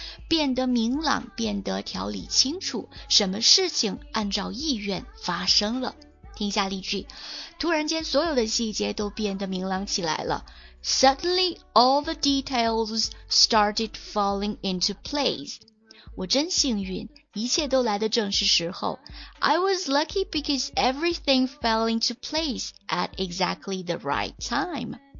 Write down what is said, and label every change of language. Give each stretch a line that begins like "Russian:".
Chinese: 变得明朗，变得条理清楚，什么事情按照意愿发生了。听下例句，突然间所有的细节都变得明朗起来了。
English: Suddenly all the details started falling into place.
Chinese: 我真幸运，一切都来得正是时候。
English: I was lucky because everything fell into place at exactly the right time.